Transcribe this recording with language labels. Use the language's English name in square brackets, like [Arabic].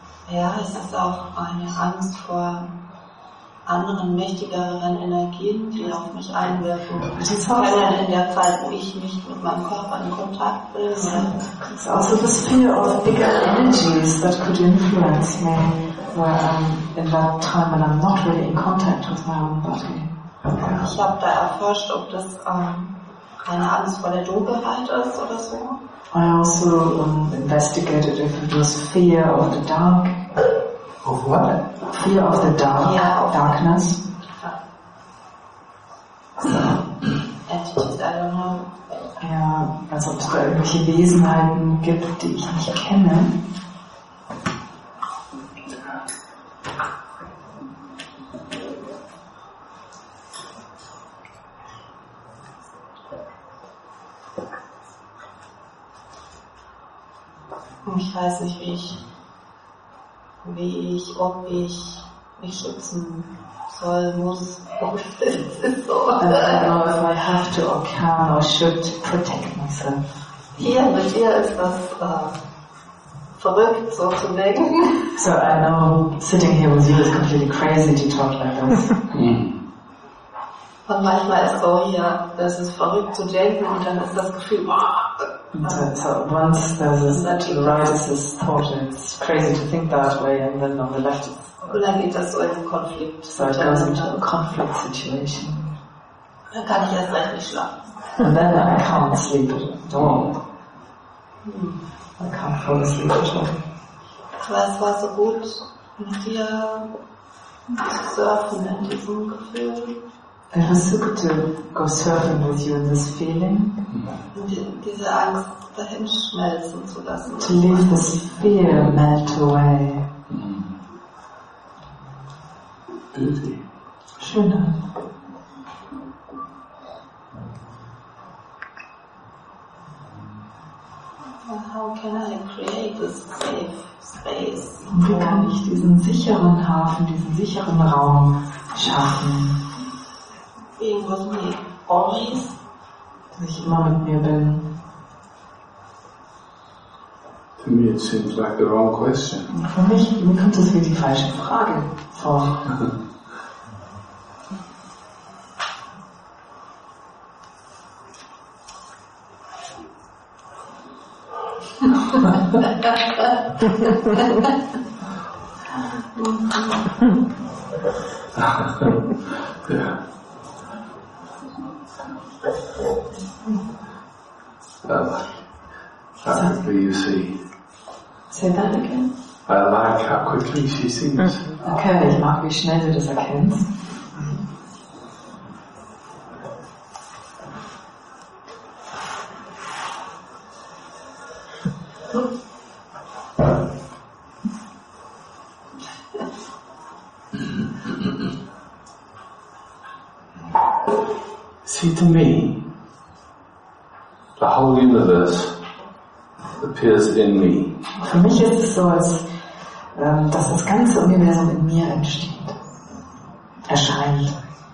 [German] Ja, es ist auch eine Angst vor anderen mächtigeren Energien, die auf mich einwirken. Können in der Zeit, wo ich nicht mit meinem Körper in Kontakt bin. [English] It's also the fear of bigger energies that could influence me where I'm in that time when I'm not really in contact with my own body. Okay. [German] Ich habe da erforscht, ob das eine Angst vor der Dunkelheit ist oder so. [English] I also investigated if it was fear of the dark. Of what? Fear of the dark. Yeah, of darkness. Entities, I don't know. [German] Ja, als ob es da irgendwelche Wesenheiten gibt, die ich nicht kenne. Ich weiß nicht, ob ich mich schützen soll, muss. [English] If I have to or can or should protect myself. [German] Hier mit dir ist das verrückt, so zu denken. [English] So I know sitting here with you is completely crazy to talk like this. [German] Und manchmal ist auch hier, das ist verrückt zu denken und dann ist das Gefühl, [English] Once there's a rises this thought and it's crazy to think that way and then on the left it's [German] geht das so in conflict. [English] So it goes into a conflict situation. [German] Dann kann ich erst recht nicht schlafen. [English] And then I can't sleep at all. I can't fall asleep at all. [German] Was war so gut mit dir zu surfen in diesem Gefühl? [English] It was so good to go surfing with you in this feeling. [German] Diese Angst dahin schmelzen zu lassen. [English] To leave this fear melt away. Beauty. [German] Schöner. [English] How can I create this safe space? [German] Wie kann ich diesen sicheren Hafen, diesen sicheren Raum schaffen? [English] Being with me always. [German] Dass ich immer mit mir bin. [English] To me it seems like the wrong question. [German] Für mich, mir kommt das wie die falsche Frage vor. Ich [English] Quickly you see. Say that again. I like how quickly she sees. [German] Okay, ich mag wie schnell sie das erkennt. [English] See to me, the whole universe appears in me. [German] Für mich ist es so, als dass das ganze Universum in mir entsteht, erscheint.